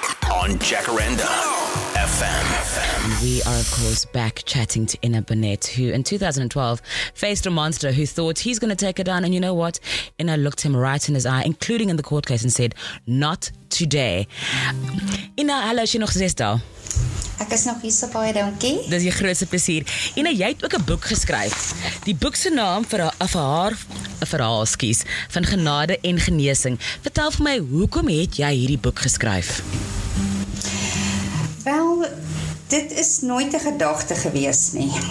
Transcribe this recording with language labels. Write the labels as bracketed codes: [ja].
[en] On Jacaranda FM. We are, of course, back chatting to Inna Burnett, who in 2012 faced a monster who thought he's going to take her down. And you know what? Inna looked him right in his eye, including in the court case, and said, not today. [af] Inna, hallo, is jy nog gesê daar? Ek is nog hier, so baie dankie. Dis jy grootste plezier. Inna, jy het ook 'n boek geskryf. Die boek se naam vir haar... een verhaal, skies, van genade en genesing. Vertel vir my, hoekom het jy hierdie boek geskryf? Wel, dit is nooit een gedagte gewees nie.